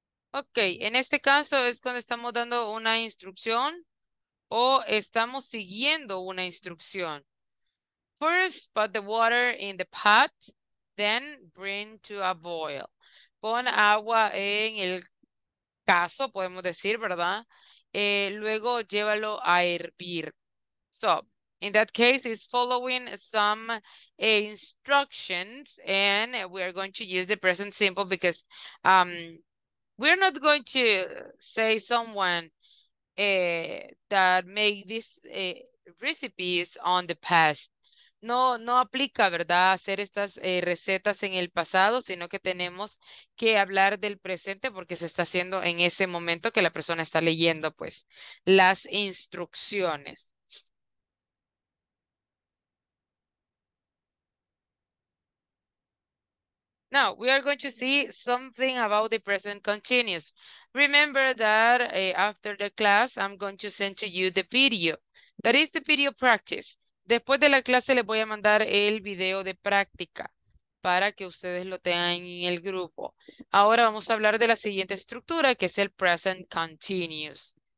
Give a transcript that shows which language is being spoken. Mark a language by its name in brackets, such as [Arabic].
[Spanish] Ok, en este caso es cuando estamos dando una instrucción o estamos siguiendo una instrucción. [English] First, put the water in the pot, then bring to a boil. [Spanish] Pon agua en el cazo, podemos decir, ¿verdad? Luego, llévalo a hervir. [English] So, in that case, it's following some instructions and we are going to use the present simple because... We're not going to say someone that made this recipes on the past. [Spanish] No, no aplica, ¿verdad? Hacer estas recetas en el pasado, sino que tenemos que hablar del presente porque se está haciendo en ese momento que la persona está leyendo, pues, las instrucciones. [English] Now, we are going to see something about the present continuous. Remember that after the class, I'm going to send to you the video. That is the video practice. [Spanish] Después de la clase, les voy a mandar el video de práctica para que ustedes lo tengan en el grupo. Ahora vamos a hablar de la siguiente estructura, que es el present continuous.